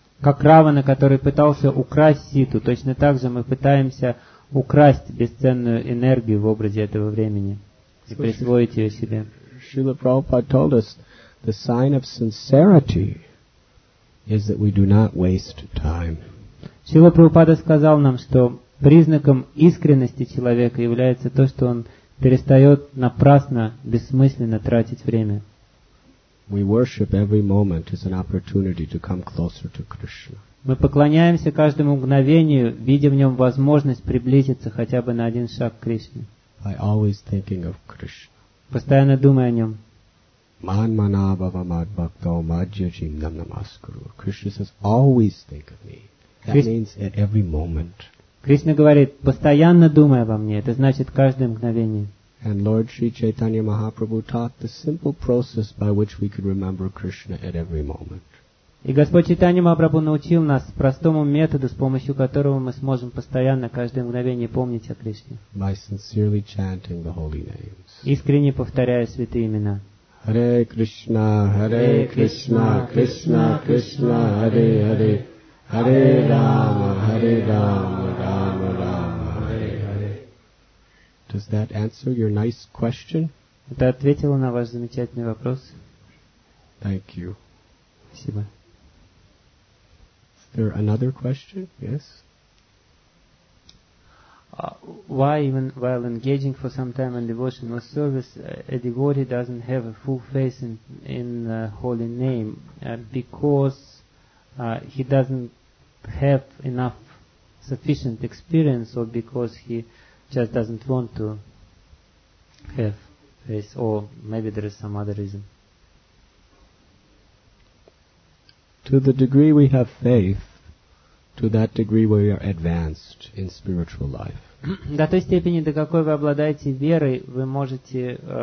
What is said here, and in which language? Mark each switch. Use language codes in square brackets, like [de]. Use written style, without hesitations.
[ru] Как Равана, который пытался украсть Ситу, точно так же мы пытаемся украсть бесценную энергию в образе этого времени и присвоить ее себе. [en] Srila Prabhupada told us the sign of sincerity is that we do not waste time. [ru] Srila Prabhupada сказал нам, что признаком искренности человека является то, что он перестает напрасно, бессмысленно тратить время. [en] We worship every moment as an opportunity to come closer to Krishna. [ru] Мы поклоняемся каждому мгновению, видя в нем возможность приблизиться хотя бы на один шаг к Кришне. [en] By always thinking of Krishna. [ru] Постоянно думая о нем. [sa] Man manabhava madbhakta omajya jingam namaskuru. [en] Krishna says, always think of me. That means at every moment. [ru] Кришна говорит, постоянно думай обо мне. Это значит каждое мгновение. [en] And Lord Sri Chaitanya Mahaprabhu taught the simple process by which we could remember Krishna at every moment. [ru] И Господь Чайтанья Махапрабху научил нас простому методу, с помощью которого мы сможем постоянно, каждое мгновение помнить о Кришне. [en] By sincerely chanting the holy names. [ru] Искренне повторяя святые имена. [sa] Hare Krishna, Krishna, Krishna, Hare Hare. Hare Rama, Rama, Rama, Hare Hare. [en] Does that answer your nice question? [ru] Это ответило на ваш замечательный вопрос? [en] Thank you. [ru] Спасибо. [en] Is there another question? Yes. Why even while engaging for some time in devotional service, a devotee doesn't have a full faith in holy name? Because he doesn't have enough sufficient experience, or because he just doesn't want to have faith, or maybe there is some other reason. To the degree we have faith, to that degree we are advanced in spiritual life. [ru] До той степени, до какой вы обладаете верой, вы можете...